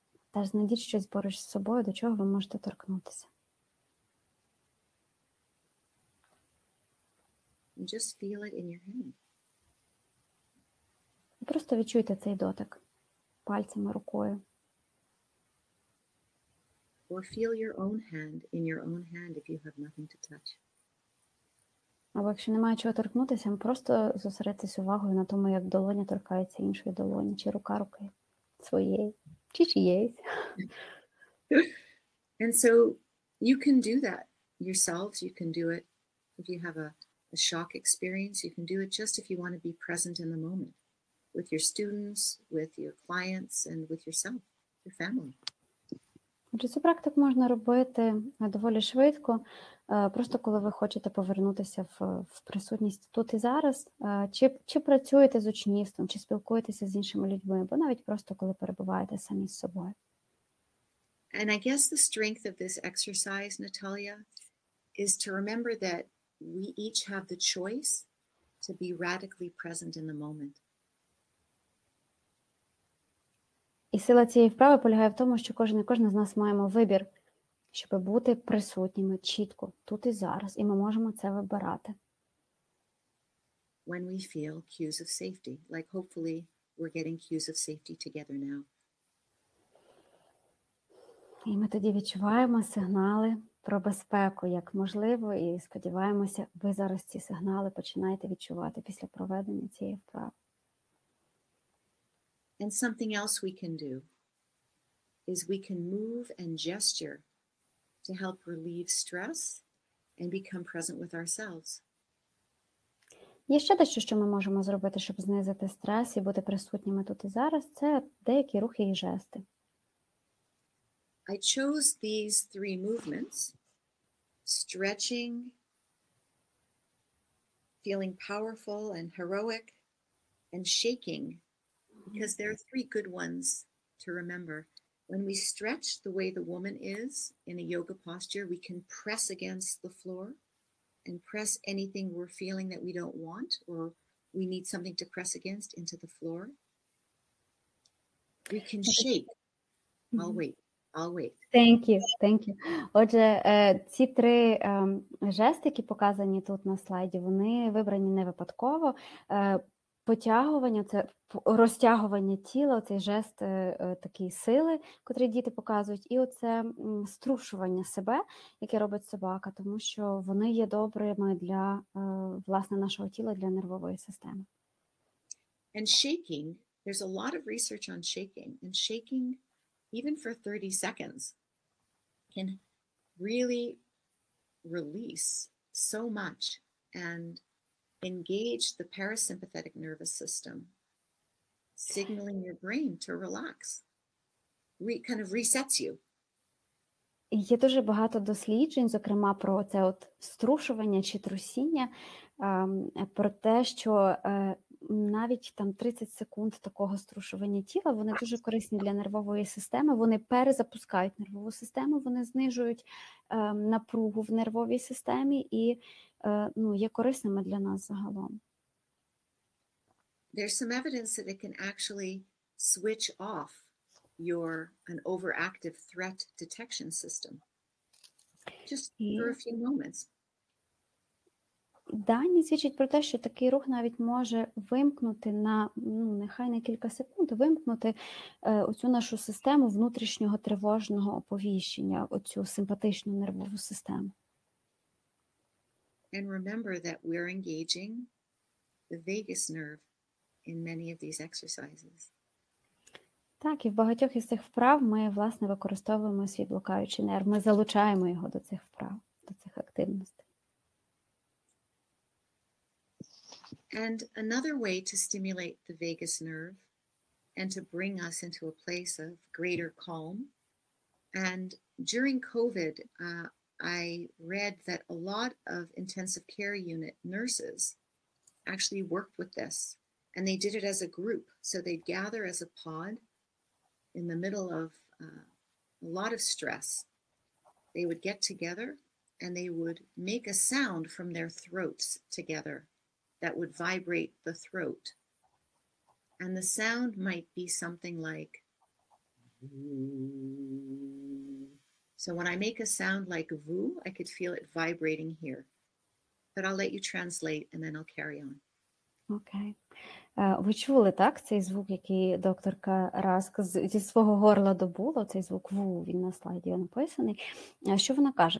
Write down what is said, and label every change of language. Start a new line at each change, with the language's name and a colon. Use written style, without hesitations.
Ukrainian: Теж знайдіть щось поруч з собою, до чого ви можете торкнутися.
English: Just feel it in your hand.
Ukrainian: Просто відчуйте цей дотик пальцями, рукою.
English: Or feel your own hand in your own hand if you have nothing to touch.
Ukrainian: Або якщо немає чого торкнутися, просто зосередьтесь увагою на тому, як долоня торкається іншої долоні, чи рука руки своєї, чи чиєїсь.
English: And so you can do that yourselves, you can do it if you have a shock experience, you can do it just if you want to be present in the moment with your students, with your clients, and with yourself, your family.
Ukrainian: Отже, цю практику можна робити доволі швидко, просто коли ви хочете повернутися в присутність тут і зараз, чи працюєте з учнівством, чи спілкуєтеся з іншими людьми, або навіть просто коли перебуваєте самі з собою.
English: And I guess the strength of this exercise, Natalia, is to remember that we each have the choice to be radically present in the moment.
Ukrainian: І сила цієї вправи полягає в тому, що кожен і кожна з нас маємо вибір щоб бути присутніми чітко тут і зараз, і ми можемо це вибирати.
English: When we feel cues of safety, like hopefully we're getting cues of safety together now.
Ukrainian: І ми тоді відчуваємо сигнали про безпеку, як можливо, і сподіваємося, ви зараз ці сигнали починаєте відчувати після проведення цієї вправи.
English: And something else we can do is we can move and gesture to help relieve stress and become present with ourselves.
Ukrainian: Є ще дещо, що ми можемо зробити, щоб знизити стрес і бути присутніми тут і зараз, це деякі рухи і жести.
English: I chose these three movements: stretching, feeling powerful and heroic, and shaking, because there are three good ones to remember. When we stretch the way the woman is in a yoga posture, we can press against the floor and press anything we're feeling that we don't want or we need something to press against into the floor. We can shake. I'll wait. Thank you.
Ukrainian: Отже, ці три жести, які показані тут на слайді, вони вибрані не випадково. Потягування, це розтягування тіла, цей жест такої сили, котрий діти показують, і оце струшування себе, яке робить собака, тому що вони є добрими для власне нашого тіла, для нервової системи.
English: And shaking, there's a lot of research on shaking, and shaking even for 30 seconds can really release so much and engage the parasympathetic nervous system, signaling your brain to relax, kind of resets you.
Ukrainian: Є дуже багато досліджень, зокрема про це от струшування чи трусіння, про те, що навіть там 30 секунд такого струшування тіла, вони дуже корисні для нервової системи, вони перезапускають нервову систему, вони знижують напругу в нервовій системі і є корисними для нас загалом.
English: There's some evidence that it can actually switch off your an overactive threat detection system. Just for a few moments.
Ukrainian: Дані свідчать про те, що такий рух навіть може вимкнути на, нехай на кілька секунд, вимкнути оцю нашу систему внутрішнього тривожного оповіщення, оцю симпатичну нервову систему.
English: And remember that we're engaging the vagus nerve in many of these exercises.
Ukrainian: Так, і в багатьох із цих вправ ми, власне, використовуємо свій блокаючий нерв, ми залучаємо його до цих вправ, до цих активностей.
English: And another way to stimulate the vagus nerve and to bring us into a place of greater calm. And during COVID, I read that a lot of intensive care unit nurses actually worked with this, and they did it as a group. So they'd gather as a pod in the middle of a lot of stress. They would get together and they would make a sound from their throats together that would vibrate the throat. And the sound might be something like, so when I make a sound like vu, I could feel it vibrating here. But I'll let you translate and then I'll carry on. Okay.
Ukrainian: Ви чули, так, цей звук, який докторка Раск зі свого горла добула, цей звук ву, він на слайді написаний. Що вона каже?